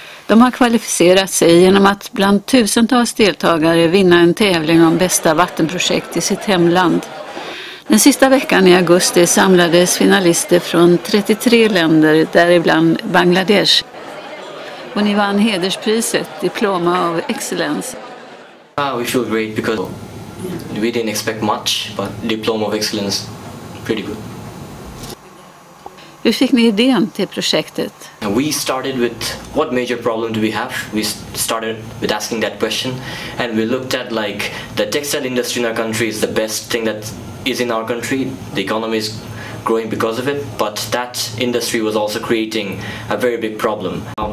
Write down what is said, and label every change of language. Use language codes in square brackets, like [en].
[sv] De har kvalificerat sig genom att bland tusentals deltagare vinna en tävling om bästa vattenprojekt i sitt hemland. Den sista veckan i augusti samlades finalister från 33 länder, däribland Bangladesh. Och ni vann hederspriset, Diploma of Excellence. [en] We feel great because we didn't expect much, but Diploma of Excellence, pretty good. [sv] Hur fick ni idén till projektet? [en] We started with what major problem do we have? We started with asking that question and we looked at like the textile industry in our country is the best thing that is in our country. The economy is growing because of it, but that industry was also creating a very big problem.